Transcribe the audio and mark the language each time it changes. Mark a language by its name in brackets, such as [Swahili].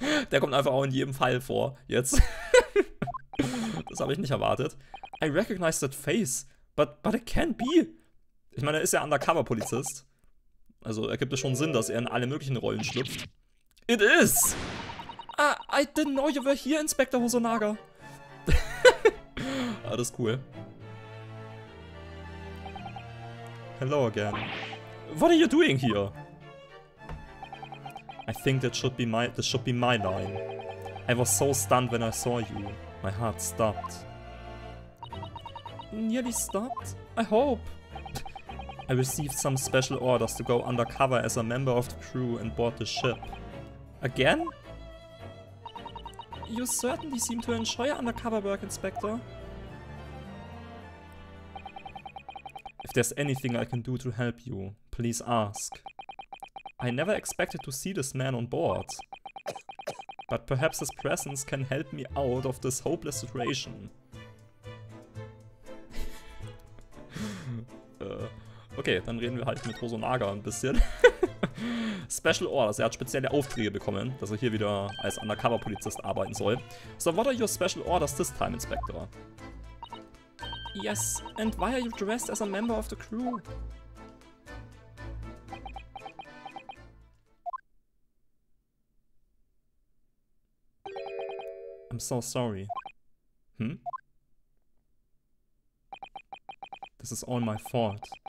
[German] Der kommt einfach auch in jedem Fall vor, jetzt. Das habe ich nicht erwartet. [English] I recognize that face, but it can't be. [German] Ich meine, er ist ja Undercover-Polizist. Also ergibt es schon Sinn, dass er in alle möglichen Rollen schlüpft. [English] It is! I didn't know you were here, Inspector Hosonaga. [German] Alles cool. [English] Hello again. What are you doing here? I think this should be my line. I was so stunned when I saw you. My heart stopped. Nearly stopped? I hope. I received some special orders to go undercover as a member of the crew and board the ship. Again? You certainly seem to enjoy undercover work, Inspector. If there's anything I can do to help you, please ask. I never expected to see this man on board. But perhaps his presence can help me out of this hopeless situation. [German] Okay, dann reden wir halt mit Hosonaga ein bisschen. Special Orders, er hat spezielle Aufträge bekommen, dass er hier wieder als Undercover-Polizist arbeiten soll. [English] So, what are your special orders this time, Inspector? Yes, and why are you dressed as a member of the crew? I'm so sorry. This is all my fault.